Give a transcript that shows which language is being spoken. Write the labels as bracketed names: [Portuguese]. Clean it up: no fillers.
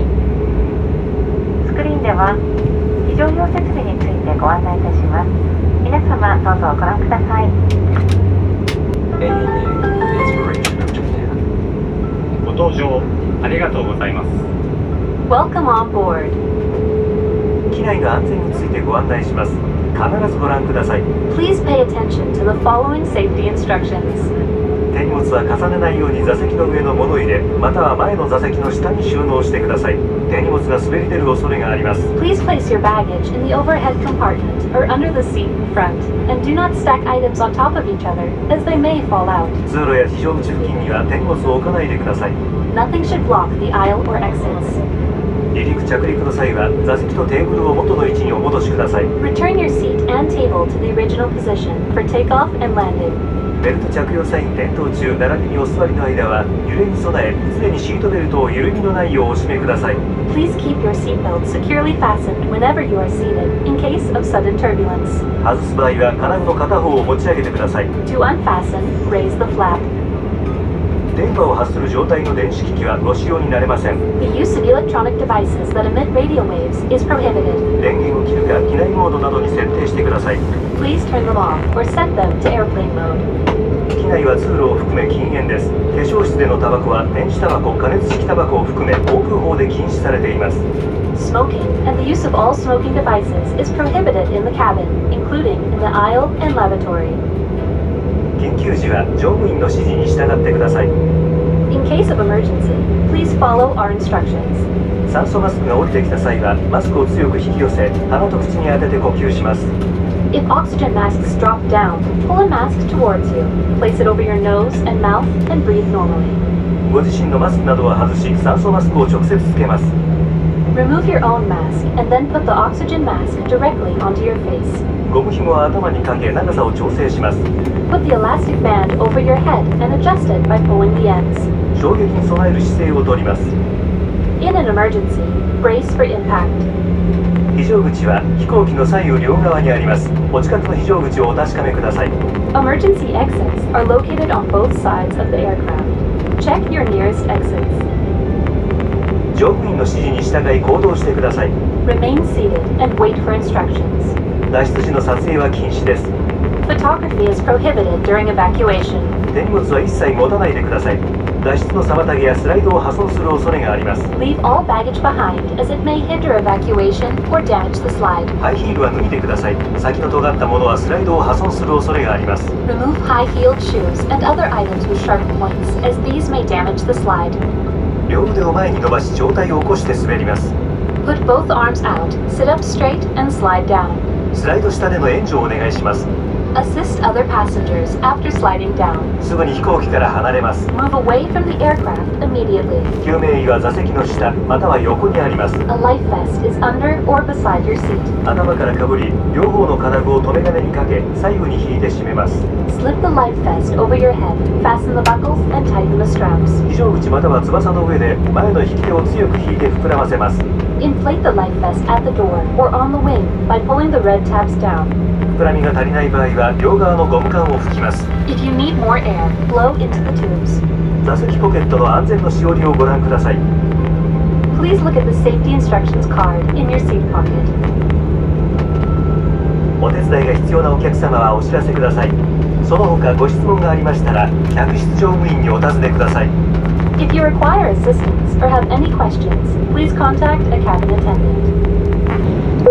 [Japanese] スクリーンでは非常用設備についてご案内いたします。皆様どうぞご覧ください。ご搭乗ありがとうございます。 [English] Welcome on board。 [Japanese] 機内の安全についてご案内します。必ずご覧ください。 [English] Please pay attention to the following safety instructions。 [Japanese] 手荷物は重ねないように座席の上の物入れまたは前の座席の下に収納してください。手荷物が滑り出る恐れがあります。 [English] Please place your baggage in the overhead compartment or under the seat in front and do not stack items on top of each other as they may fall out。 [Japanese] 通路や非常口付近には手荷物を置かないでください。 [English] Nothing should block the aisle or exits。 [Japanese] 離陸着陸の際は座席とテーブルを元の位置にお戻しください。 [English] Return your seat and table to the original position for takeoff and landing。 [Japanese] ベルト着用際に点灯中並びにお座りの間は揺れに備え常にシートベルトを緩みのないようお締めください。 [English] Please keep your seatbelt securely fastened whenever you are seated in case of sudden turbulence。 [Japanese] 外す場合は金具の片方を持ち上げてください。 [English] To unfasten, raise the flap。 [Japanese] 電波を発する状態の電子機器はご使用になれません。 [English] The use of electronic devices that emit radio waves is prohibited. [Japanese] 電源を切るか機内モードなどに設定してください。 [English] Please turn them off or set them to airplane mode. [Japanese] 機内は通路を含め禁煙です。化粧室でのタバコは電子タバコ、加熱式タバコを含め航空法で禁止されています。 [English] Smoking and the use of all smoking devices is prohibited in the cabin, including in the aisle and lavatory. [Japanese] 緊急時は乗務員の指示に従ってください。 [English] In case of emergency, please follow our instructions. [Japanese] 酸素マスクが降りてきた際はマスクを強く引き寄せ鼻と口に当てて呼吸します。 [English] If oxygen masks drop down, pull a mask towards you. Place it over your nose and mouth and breathe normally. [Japanese] ご自身のマスクなどは外し酸素マスクを直接つけます。 [English] Remove your own mask and then put the oxygen mask directly onto your face. [Japanese] ゴム紐は頭にかけ長さを調整します。 [English] Put the elastic band over your head and adjust it by pulling the ends. [Japanese] 衝撃に備える姿勢をとります。 [English] In an emergency, brace for impact. [Japanese] 非常口は飛行機の左右両側にあります。お近くの非常口をお確かめください。 [English] Emergency exits are located on both sides of the aircraft. Check your nearest exits. [Japanese] 乗務員の指示に従い行動してください。 [English] Remain seated and wait for instructions. [Japanese] 脱出時の撮影は禁止です。 [English] Photography is prohibited during evacuation. [Japanese] 手荷物は一切持たないでください。脱出の妨げやスライドを破損する恐れがあります。 [English] Leave all baggage behind, as it may hinder evacuation or damage the slide. [Japanese] ハイヒールは脱いでください。先の尖ったものはスライドを破損する恐れがあります。 [English] Remove high-heeled shoes and other items with sharp points, as these may damage the slide. [Japanese] 両腕を前に伸ばし上体を起こして滑ります。 [English] Put both arms out, sit up straight and slide down. [Japanese] スライド下での援助をお願いします。 [English] Assist other passengers after sliding down. [Japanese] すぐに飛行機から離れます。 [English] Move away from the aircraft immediately. [Japanese] 救命衣は座席の下または横にあります。 [English] A life vest is under or beside your seat. [Japanese] 頭からかぶり、両方の金具を留め金にかけ、左右に引いて締めます。 [English] Slip the life vest over your head, fasten the buckles and tighten the straps. [Japanese] 非常口または翼の上で前の引き手を強く引いて膨らませます。 [English] Inflate the life vest at the door or on the wing by pulling the red tabs down. [Japanese] 膨らみが足りない場合は両側のゴム管を吹きます。 [English] If you need more air, blow into the tubes. [Japanese] 座席ポケットの安全のしおりをご覧ください。 [English] Please look at the safety instructions card in your seat pocket. [Japanese] お手伝いが必要なお客様はお知らせください。その他ご質問がありましたら客室乗務員にお尋ねください。 [English] If you require assistance or have any questions, please contact a cabin attendant.